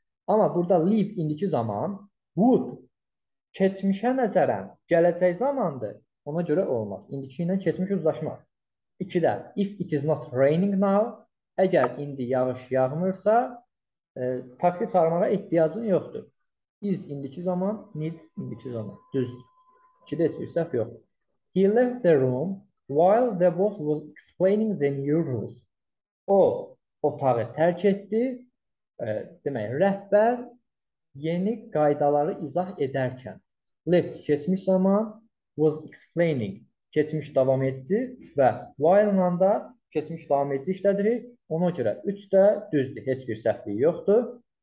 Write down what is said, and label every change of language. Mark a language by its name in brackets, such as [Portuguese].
[Azerbaijani] Ama burada leave indiki zaman, would keçmişə nəzərən gələcək zamandır. Ona görə olmaz. İndiki ilə keçmiş uzlaşmaz. 2-də [English] if it is not raining now, [Azerbaijani] əgər indi yağış yağmırsa, taksi çağırmağa ihtiyacın yoxdur. Is indiki zaman, need indiki zaman. Düz. İki de hiçbir səhv yox. [English] He left the room while the boss was explaining the new rules. [Azerbaijani] O otağı tərk etdi. Demek rəhbər yeni qaydaları izah edərkən. Left keçmiş zaman, was explaining keçmiş davam etdi və while da keçmiş davam etdi işlədirik. Ona göre 3 de düzdür. Heç bir səhvliyi yoxdur.